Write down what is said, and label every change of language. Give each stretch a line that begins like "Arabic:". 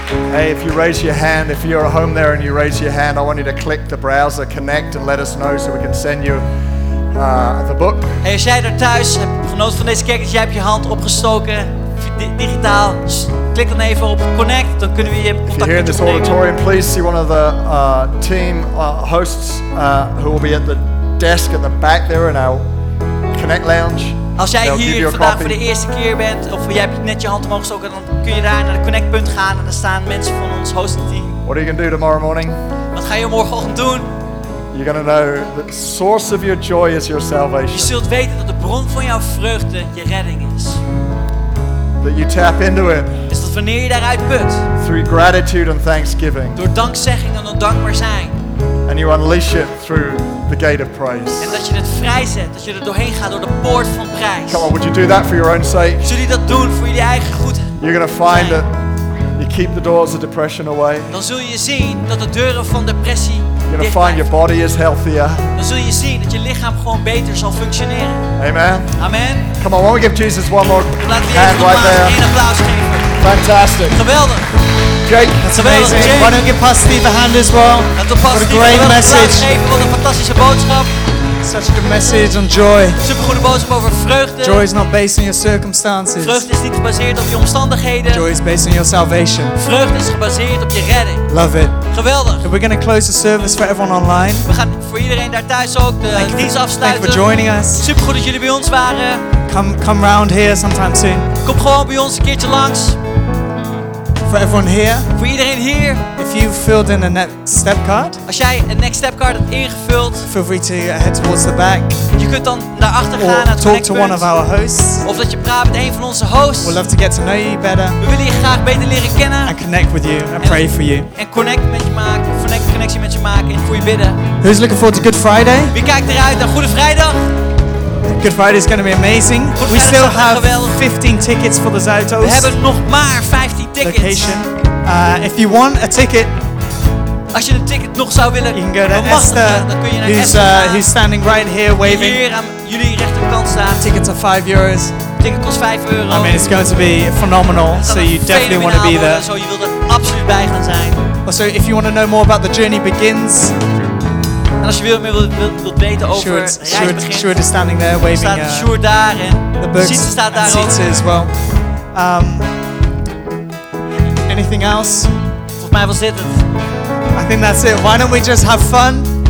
English: Hey, if you raise your hand, if you're at home there and you raise your hand, I want you to click the browser, connect, and let us know so we can send you the book.
Dutch: Hey, als jij daar thuis hebt genoten van deze kerk, dat jij hebt je hand opgestoken, digitaal, klik dan even op connect, dan kunnen we je contact opnemen.
English: If you're here in this auditorium, please see one of the team hosts who will be at the desk at the back there in our connect lounge.
Dutch: Als jij hier vandaag voor de eerste keer bent, of jij hebt net je hand omhoog gestoken, dan kun je daar naar de connectpunt gaan en daar staan mensen van ons hostingteam.
English: What are you going to do tomorrow morning?
Dutch: Wat ga je morgenochtend doen?
English: You're going to know the source of your joy is your salvation.
Dutch: Je zult weten dat de bron van jouw vreugde je redding is.
English: That you tap into it.
Dutch: Is dat wanneer je daaruit put?
English: Through gratitude and thanksgiving.
Dutch: Door dankzegging en dankbaar zijn.
English: And you unleash it through the gate of praise.
Dutch: En dat je het vrijzet, dat je er doorheen gaat door de poort van prijs.
English: Come on, would you do that for your own sake?
Dutch: Zul je dat doen voor je eigen goed?
English: You're gonna find that you keep the doors of depression away.
Dutch: Dan zul je zien dat de deuren van depressie dicht blijven.
English: You're gonna find your body is healthier.
Dutch: Dan zul je zien dat je lichaam gewoon beter zal functioneren.
English: Amen.
Dutch: Amen.
English: Come on, why don't we give Jesus one more hand right there?
Dutch: Laat die even nog maar een applaus geven.
English: Fantastic.
Dutch: Geweldig.
English: Jake, that's amazing. Jake. Why don't you give Pastor Steve a hand as well? What a great message. What a fantastic message. Such a good message on joy.
Dutch: Super goede boodschap over vreugde.
English: Joy is not based on your circumstances.
Dutch: Vreugde is niet gebaseerd op je omstandigheden.
English: Joy is based on your salvation.
Dutch: Vreugde is gebaseerd op je redding.
English: Love it.
Dutch: Geweldig.
English: We're going to close the service for everyone online.
Dutch: We gaan voor iedereen daar thuis ook de dienst afsluiten.
English: Thank you for joining us.
Dutch: Super goed dat jullie bij ons waren.
English: Come round here sometime soon.
Dutch: Kom gewoon bij ons een keertje langs.
English: For everyone here.
Dutch: Voor iedereen hier.
English: If you filled in a next step card.
Dutch: Als jij een
English: next step card
Dutch: hebt ingevuld.
English: Feel free to head towards the back.
Dutch: Je kunt dan naar achter gaan
English: or
Dutch: naar het
English: talk to one of our hosts.
Dutch: Of dat je praat met een van onze hosts.
English: We'd love to get to know you better.
Dutch: We willen je graag beter leren kennen.
English: And connect with you and pray for you.
Dutch: En connect met je maken, connectie met je maken en voor je bidden.
English: Who's looking forward to Good Friday?
Dutch: Wie kijkt eruit naar Goede Vrijdag?
English: Good Friday is going to be amazing. We still have 15 tickets for the Zuidoost.
Dutch: We hebben nog maar 15 tickets.
English: Location. If you want a ticket,
Dutch: als je een ticket nog zou willen,
English: you can go to Esther, who's standing right here waving.
Dutch: Hier aan jullie rechterkant staan.
English: Tickets are €5.
Dutch: Ticket kost €5.
English: I mean, it's going to be phenomenal. So you definitely want to be there.
Dutch: Zo, je wilt er absoluut bij gaan zijn.
English: Also, if you want to know more about the Journey Begins.
Dutch: En als je meer wilt weten over Sjoerd, reis Sjoerd, begint,
English: Sjoerd is standing there waving.
Dutch: Staat Sjoerd daar en
English: the books,
Dutch: Sietse staat daar
English: and
Dutch: ook.
English: As well. Anything else?
Dutch: Volgens mij was dit het.
English: I think that's it. Why don't we just have fun?